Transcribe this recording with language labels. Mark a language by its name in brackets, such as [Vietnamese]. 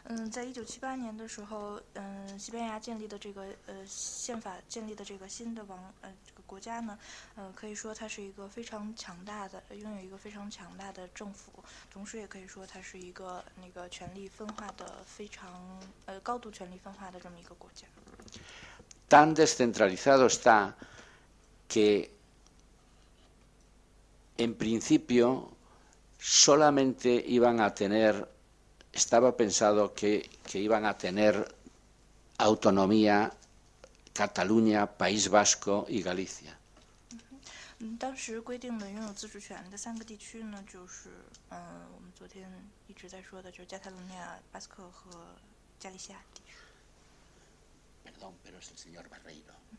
[Chinese] 在1978年的时候，西班牙建立的这个宪法建立的这个新的王这个国家呢，可以说它是一个非常强大的，拥有一个非常强大的政府，同时也可以说它是一个那个权力分化的非常高度权力分化的这么一个国家。 [Spanish] Tan descentralizado está que en principio solamente iban a tener Estaba pensado que iban a tener autonomía Cataluña, País Vasco y Galicia. [Chinese] 当时规定的拥有自治权的三个地区呢，就是我们昨天一直在说的，就是加泰罗尼亚、巴斯克和加利西亚地区。 [Spanish] Perdón, pero es el señor Barreiro.